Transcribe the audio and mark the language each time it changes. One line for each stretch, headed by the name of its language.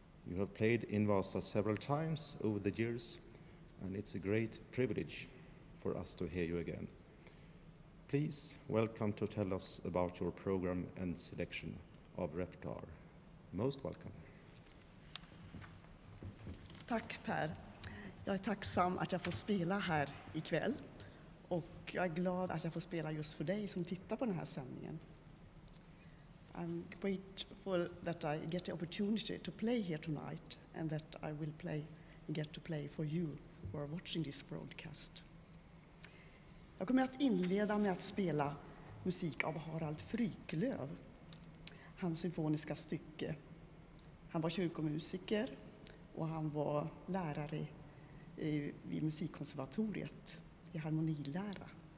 English: You have played in Vasa several times over the years, and it's a great privilege for us to hear you again. Please welcome to tell us about your program and selection of repertoire. Most welcome.
Swedish: Tack, Per. Jag är tacksam att jag får spela här ikväll och jag är glad att jag får spela just för dig som tittar på den här sändningen.
English: I'm grateful that I get the opportunity to play here tonight and that I will play and get to play for you who are watching this broadcast.
Swedish: Jag kommer att inleda med att spela musik av Harald Fryklöf, hans symfoniska stycke. Han var kyrkomusiker och han var lärare vid musikkonservatoriet i harmonilära.